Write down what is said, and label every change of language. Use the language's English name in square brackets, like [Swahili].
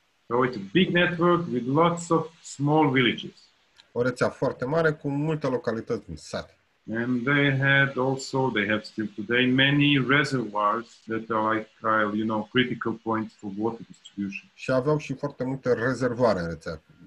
[English] So it's a big network with lots of small villages. [Romanian] O rețea foarte mare cu multe localități în sat. [English] And they had also, they have still today, many reservoirs that are like, you know, critical points for water distribution. [Romanian] Și aveau și foarte multe rezervoare în rețea.